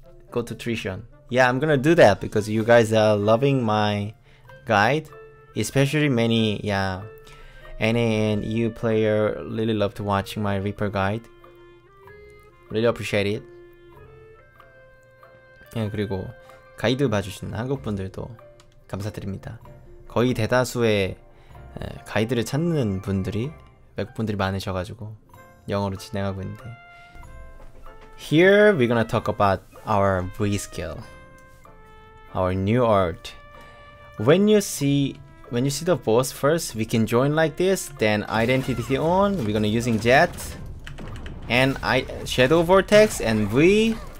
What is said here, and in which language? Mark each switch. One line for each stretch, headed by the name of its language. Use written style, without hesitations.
English: Go to Trishon. Yeah, I'm gonna do that because you guys are loving my guide, especially many, yeah, NA and EU player really loved watching my Reaper guide. Really appreciate it.
Korean: Yeah, 그리고 가이드 봐주신 한국분들도 감사드립니다. 거의 대다수의 가이드를 찾는 분들이 외국분들이 많으셔가지고 영어로 진행하고 있는데.
English: Here we're gonna talk about our V skill, our new art. When you see the boss first, we can join like this. Then identity on. We're gonna using jet and shadow vortex and V.